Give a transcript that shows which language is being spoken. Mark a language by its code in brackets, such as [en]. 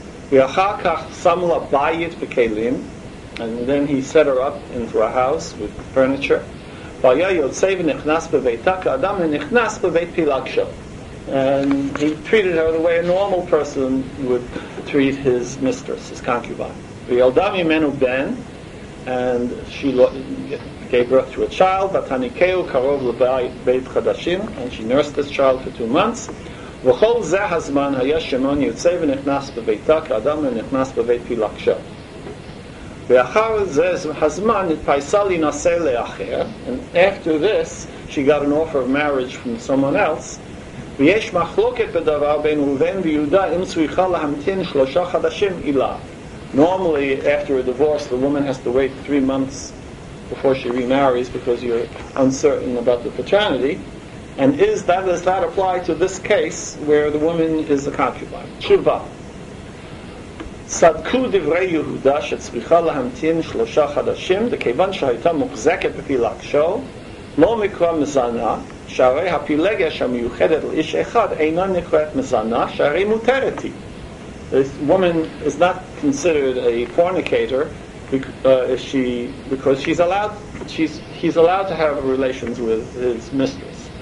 [he] ואחר כך שם לה בית וכלים, [en] and then he set her up into a house with furniture. [he] והיה יוצא ונכנס בביתה כאדם ונכנס בבית פילגשה. [en] And he treated her the way a normal person would treat his mistress, his concubine. [he] וילדה ממנו בן, [en] and she gave birth to a child, [he] ותניקהו קרוב לבית חדשים, [en] and she nursed this child for 2 months. [he] וכל זה הזמן היה שמעון יוצא ונכנס בביתה כאדם ונכנס בבית פילגשה. ואחר זה הזמן התפייסה להינשא לאחר, [en] and after this, she got an offer of marriage from someone else, [he] ויש מחלוקת בדבר בין ראובן ויהודה אם צריכה להמתין 3 חודשים אילה. [en] Normally, after a divorce, the woman has to wait 3 months before she remarries because you're uncertain about the paternity. And does that apply to this case where the woman is a concubine? [he] Tshuva. צדקו דברי יהודה שצריכה להמתין 3 חודשים, וכיוון שהייתה מוחזקת בפילגשו, לא מקרא מזנה, שהרי הפילגש המיוחדת לאיש אחד אינה נקראת מזנה, שהרי מותרת היא. [en] This woman is not considered a fornicator because he's allowed to have relations with his mistress.